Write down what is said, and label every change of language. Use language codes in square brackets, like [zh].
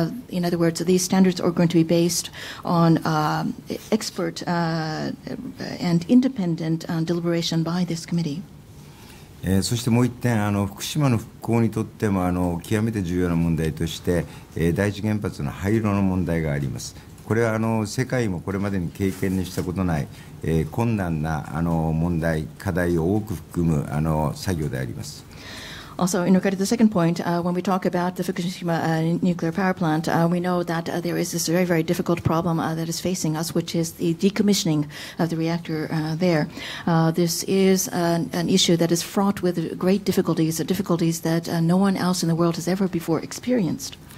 [en] In other words, these standards are going to be based on expert and independent deliberation by this committee. [ja] そしてもう一点、福島の復興にとっても極めて重要な問題として、第一原発の廃炉の問題があります。これは世界もこれまでに経験にしたことない困難な問題、課題を多く含む作業であります。 [en] Also, in regard to the second point, when we talk about the Fukushima nuclear power plant, we know that there is this very, very difficult problem that is facing us, which is the decommissioning of the reactor there. This is an issue that is fraught with great difficulties, difficulties that no one else in the world has ever before experienced.